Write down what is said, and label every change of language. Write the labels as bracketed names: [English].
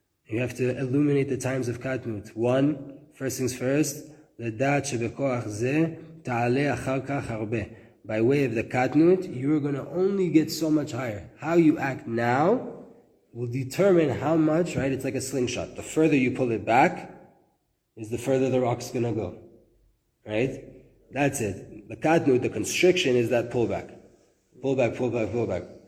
[English] You have to illuminate the times of katnut. One, first things first, [Hebrew] לדעת שבכוח זה תעלה אחר כך הרבה. [English] By way of the katnut, you are going to only get so much higher. How you act now will determine how much, right? It's like a slingshot. The further you pull it back, is the further the rock's going to go. Right? That's it. The katnut, the constriction, is that pullback. Pullback, pullback, pullback.